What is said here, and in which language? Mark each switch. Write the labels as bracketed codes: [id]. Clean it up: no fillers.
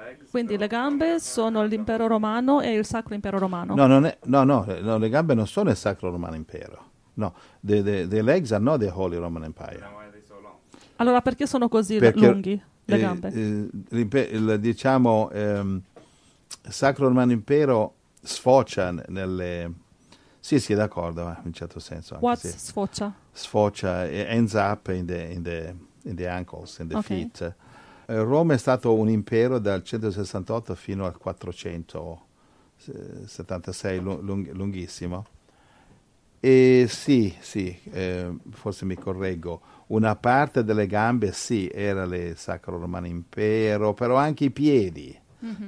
[it] Quindi le gambe sono l'impero romano e il sacro impero romano. No, le gambe non sono il sacro romano impero. [en] No, the legs are not the holy Roman Empire. [it] Allora perché sono così lunghi le gambe? Diciamo, sacro romano impero sfocia Sì, d'accordo, in certo senso. Anche [en] What [it] se sfocia? [en] Sfocia, ends up in the ankles, in the okay. feet. [it] Roma è stato un impero dal 168 fino al 476, lunghissimo. E sì, forse mi correggo. Una parte delle gambe, sì, era il Sacro Romano Impero, però anche i piedi. Mm-hmm.